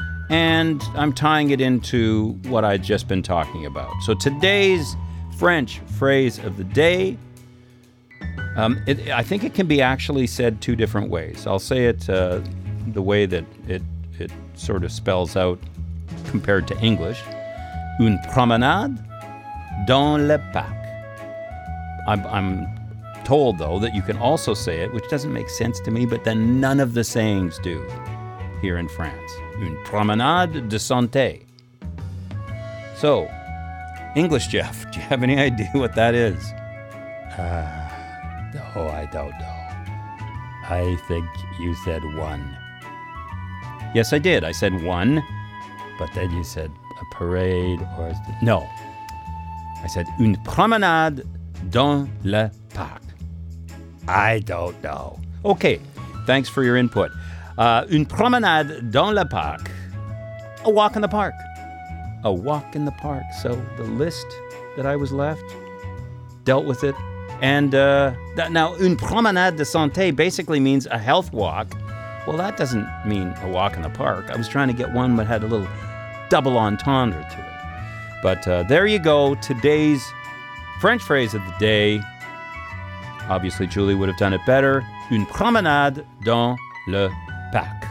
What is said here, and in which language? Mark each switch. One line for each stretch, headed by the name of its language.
English: And I'm tying it into what I'd just been talking about. So today's French phrase of the day, I think it can be actually said two different ways. I'll say it the way that it sort of spells out compared to English.
French: Une promenade dans le parc.
English: I'm told, though, that you can also say it, which doesn't make sense to me, but then none of the sayings do here in France.
French: Une promenade de santé.
English: So, English Jeff, do you have any idea what that is? No, I don't know. I think you said one. Yes, I did. I said one. But then you said a parade or... No. I said
French: une promenade dans le parc.
English: I don't know. Okay. Thanks for your input.
French: Une promenade dans le parc.
English: A walk in the park. A walk in the park. So the list that I was left dealt with it. And now,
French: une promenade de santé
English: basically means a health walk. Well, that doesn't mean a walk in the park. I was trying to get one that had a little double entendre to it. But there you go. Today's French phrase of the day. Obviously, Julie would have done it better.
French: Une promenade dans le parc.